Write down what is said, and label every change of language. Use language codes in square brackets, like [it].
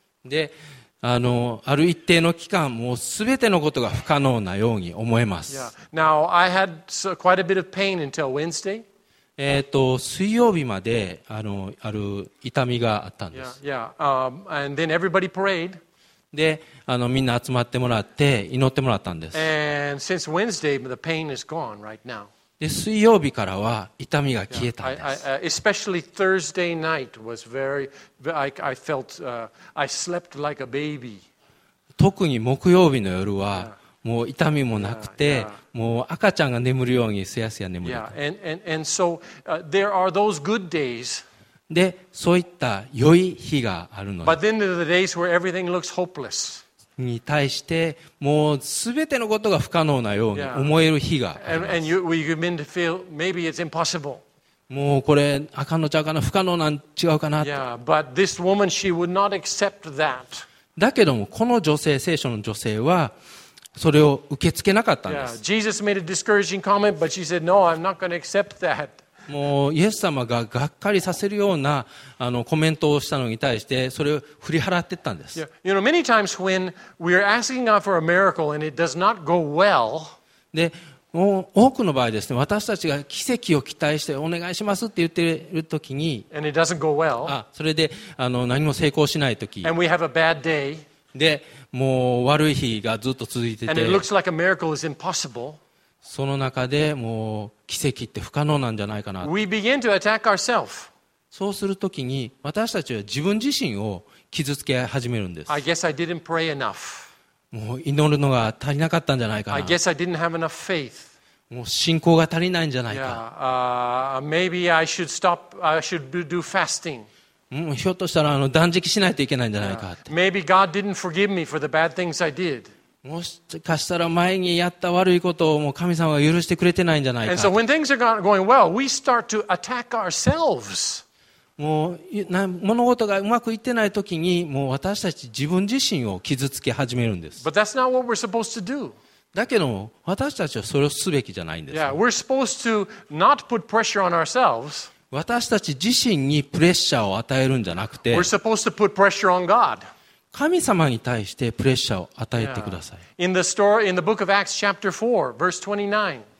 [ja] で、ある一定の期間、もうすべてのことが不可能なように思えます。 [en] Yeah. Now I had quite a bit of pain until Wednesday. [ja] 水曜日まで、ある痛みがあったんです。 [en] Yeah. Yeah. And then everybody prayed. [ja] で、みんな集まってもらって祈ってもらったんです。 [en] And since Wednesday, the pain is gone right now. [ja] で水曜日からは痛みが消えたんです。 [en] Especially Thursday night was very, I felt, I slept like a baby. [ja] 特に木曜日の夜はもう痛みもなくて、もう赤ちゃんが眠るようにすやすや眠れた。 [en] And so there are those good days. [ja] でそういった良い日があるのです。 [en] But then there are the days where everything looks hopeless. [ja] に対してもう全てのことが不可能なように思える日があります。 [en] Yeah. And you, [ja] もうこれあかんのちゃうかな、不可能なん違うかな。 [en] Yeah. But this woman, she would not accept that. [ja] だけどもこの女性、聖書の女性はそれを受け付けなかったんです。 [en] Jesus made a discouraging comment, but she said, "No, I'm not going to accept that." [ja] もうイエス様ががっかりさせるようなコメントをしたのに対してそれを振り払っていったんです。 [en] You know, many times when we are asking God for a miracle and it does not go well, [ja] で、もう多くの場合ですね、私たちが奇跡を期待してお願いしますって言っているときに、 [en] and it doesn't go well, [ja] それで何も成功しないとき、 [en] and we have a bad day, [ja] で、もう悪い日がずっと続いてて、 [en] and it looks like a miracle is impossible. [ja] その中でもう奇跡って不可能なんじゃないかな。 [en] We begin to attack ourselves. [ja] そうするときに私たちは自分自身を傷つけ始めるんです。 [en] I guess I didn't pray enough. [ja] もう祈るのが足りなかったんじゃないかな。 [en] I guess I didn't have enough faith. [ja] もう信仰が足りないんじゃないか。 [en] Yeah. Maybe I should stop. I should do fasting. [ja] もうひょっとしたら断食しないといけないんじゃないかって。 [en] Yeah. Maybe God didn't forgive me for the bad things I did. [ja] もしかしたら前にやった悪いことをもう神様が許してくれてないんじゃないか。 [en] And so when things are going well, we start to attack ourselves. [ja] もう物事がうまくいってない時にもう私たち自分自身を傷つけ始めるんです。 [en] But that's not what we're supposed to do. [ja] だけど私たちはそれをすべきじゃないんです。 [en] Yeah, we're supposed to not put pressure on ourselves. [ja] 私たち自身にプレッシャーを与えるんじゃなくて、 [en] we're supposed to put pressure on God. [ja] 神様に対してプレッシャーを与えてください。 [en] Yeah. In the story, in the book of Acts, chapter 4, verse 29.